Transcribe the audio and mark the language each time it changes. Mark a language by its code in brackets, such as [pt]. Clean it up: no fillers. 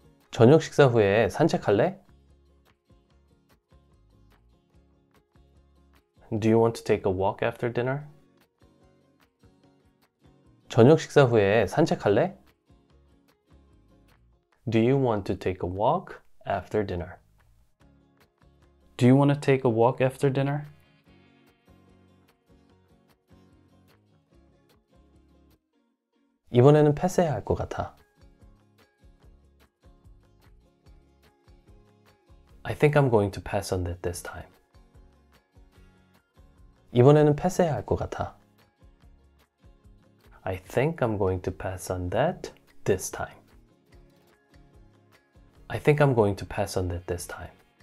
[ko] 저녁 식사 후에 산책할래? [en] Do you want to take a walk after dinner? [ko] 저녁 식사 후에 산책할래? [en] Do you want to take a walk after dinner? Do you want to take a walk after dinner? [ko] 이번에는 패스해야 할것 같아. [en] I think I'm going to pass on it this time. [ko] 이번에는 패스해야 할것 같아. [en] I think I'm going to pass on that this time. I think I'm going to pass on it this time.